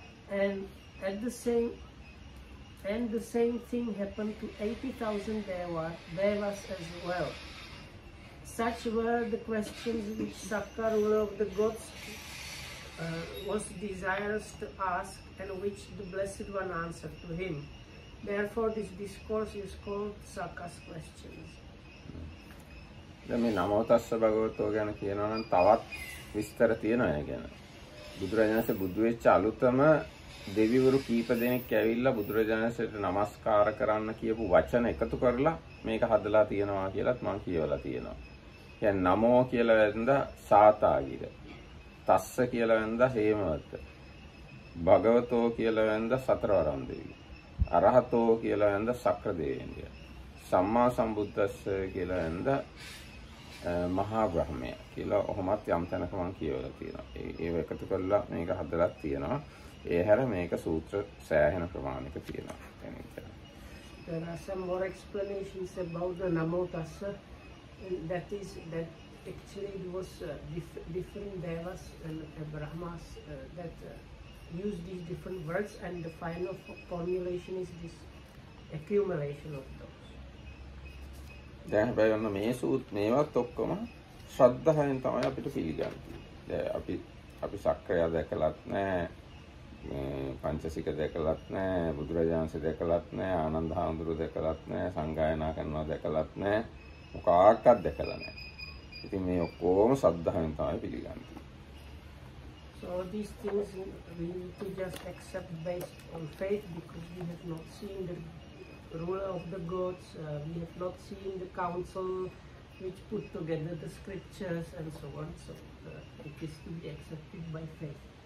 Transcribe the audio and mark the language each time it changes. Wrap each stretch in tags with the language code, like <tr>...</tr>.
<en>And at the same and the same thing happened to 80,000 devas as well. Such were the questions which Sakka, ruler of the gods, was desirous to ask, and which the Blessed One answered to him. Therefore, this discourse is called Sakka's questions.</en> <si>දැන් මේ නමෝ තස්ස භගවතු ගැන කියනවා නම් තවත් විස්තර තියෙනවා ඒකෙන. බුදුරජාණන්සේ බුදු වෙච්ච අලුතම දෙවිවරු කීප දෙනෙක් ඇවිල්ලා බුදුරජාණන්සේට නමස්කාර කරන්න කියපු වචන එකතු කරලා මේක හදලා තියෙනවා කියලත් මම කියවලා තියෙනවා.</si> <ar>يعني</ar> <si>නමෝ කියලා වැඳලා සාතාගිර. තස්ස කියලා වැඳලා හේමවත. භගවතෝ කියලා වැඳලා සතරවරම් දෙවි. අරහතෝ කියලා වැඳලා සක්‍ර දෙවියන්ගේ. සම්මා සම්බුද්දස්ස කියලා වැඳලා මහා බ්‍රහ්මය කියලා ඔහොමත් යම් තැනක මම කියවලා තියෙනවා. ඒව එකතු කරලා මේක හදලා තියෙනවා. ඒ හැර මේක සූත්‍ර සෑහෙන ප්‍රමාණයක තියෙනවා.</si> <en>There are some more explanations about the Namo Tassa. That is that actually it was different devas and brahmas that used these different words, and the final formulation is this accumulation of those.</en> <si>දැන් හැබැයි ඔන්න මේ සූත් මේවත් ඔක්කොම ශ්‍රද්ධාවෙන් තමයි අපිට පිළිගන්නේ. දැන් අපි සක්‍රිය දැකලත් නැහැ. මේ පංචසික දැකලත් නැහැ. බුදුරජාන්සේ දැකලත් නැහැ. ආනන්ද හාමුදුරුව දැකලත් නැහැ. සංගායනා කරනවා දැකලත් නැහැ. මොකක්වත් දැකලා නැහැ. ඉතින් මේ ඔක්කොම ශ්‍රද්ධාවෙන් තමයි පිළිගන්නේ.</si> <en>So these things we need to just accept based on faith, because we have not seen the ruler of the gods, we have not seen the council which put together the scriptures and so on. So it is to be accepted by faith.</en>